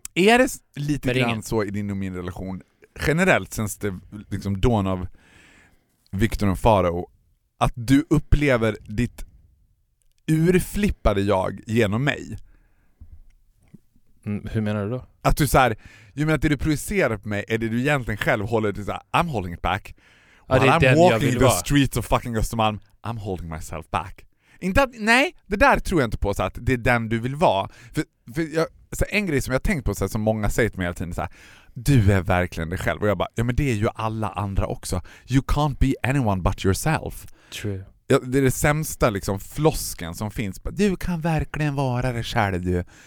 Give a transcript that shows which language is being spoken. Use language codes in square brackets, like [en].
[sv] Är det lite grann så i din och min relation generellt sen det liksom dån av Victor och Farao att du upplever ditt urflippade jag genom mig? Hur menar du då? Att du så här, ju menar att det du projicerar på mig är det du egentligen själv håller till så här, I'm holding it back. [en] Ja, while I'm walking the streets of fucking Östermalm, I'm holding myself back. [sv] Inte att, nej, det där tror jag inte på så att det är den du vill vara. För jag, så en grej som jag har tänkt på så här, som många säger till mig hela tiden så här, du är verkligen dig själv. Och jag bara, ja men det är ju alla andra också. [en] You can't be anyone but yourself. True. [sv] Ja, det är det sämsta liksom flosken som finns. Du kan verkligen vara det själv du.